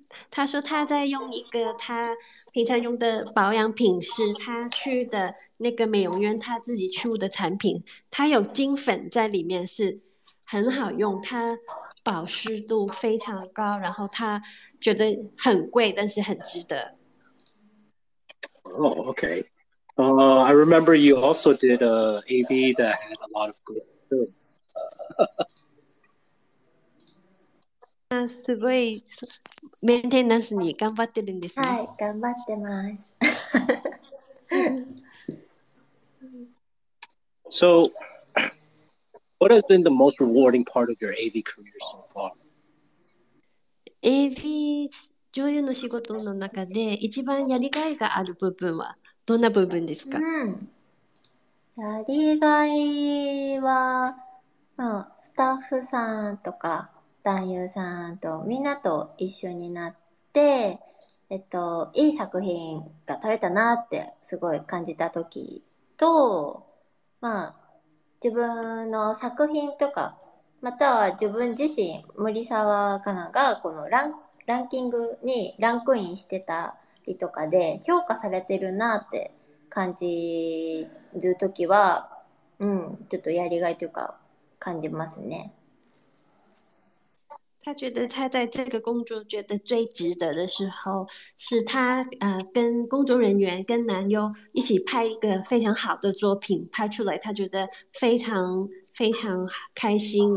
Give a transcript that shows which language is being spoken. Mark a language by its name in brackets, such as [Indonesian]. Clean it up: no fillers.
[Chinese] 他说他在用一个他平常用的保养品，是他去的那个美容院他自己出的产品，他有金粉在里面，是很好用，他保湿度非常高，然后他觉得很贵，但是很值得。 [English] Oh, okay. I remember you also did a AV that had a lot of good film. [Japanese] すごいメンテナンスに頑張ってるんですね。はい、頑張ってます。 [English] So, what has been the most rewarding part of your AV career so far? [Japanese] AV 女優の仕事の中で一番やりがいがある部分はどんな部分ですか？やりがいは、スタッフさんとか男優さんとみんなと一緒になって、いい作品が撮れたなってすごい感じた時と、自分の作品とか、または自分自身、森沢かながこのランキングにランクインしてたりとかで評価されてるなって感じる時は、ちょっとやりがいというか感じますね。 [Chinese] 他觉得他在这个工作觉得最值得的时候，是他跟工作人员跟男优一起拍一个非常好的作品，拍出来他觉得非常非常开心。